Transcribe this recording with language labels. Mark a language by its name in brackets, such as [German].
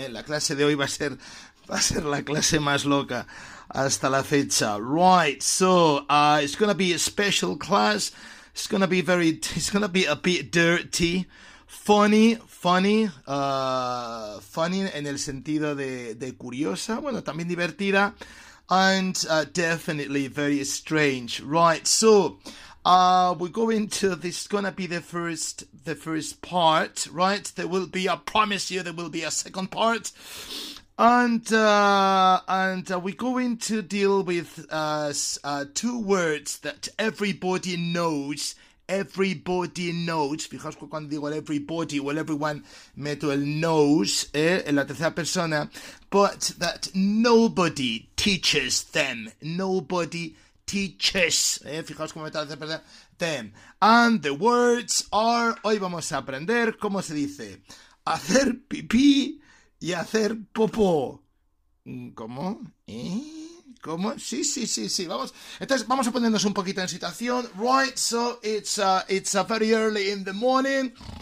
[Spanish] La clase de hoy va a ser la clase más loca hasta la fecha. [English] Right, so it's going to be a special class. It's going to be very, it's going to be a bit dirty. [Spanish] Funny en el sentido de curiosa, bueno, también divertida, and definitely very strange. [English] Right, so we're going to, this is going to be the first part, right? There will be, I promise you, there will be a second part, and we're going to deal with two words that everybody knows. Everybody knows. [Spanish] Fijaos que cuando digo everybody o everyone, meto el knows en la tercera persona. [English] But that nobody teaches them. Nobody teaches. Fijaos cómo meto la tercera persona. Them. And the words are... [Spanish] Hoy vamos a aprender cómo se dice hacer pipí y hacer popó. ¿Cómo? ¿Eh? ¿Cómo? Sí, vamos. Entonces, vamos a ponernos un poquito en situación. [English] Right, so it's a very early in the morning.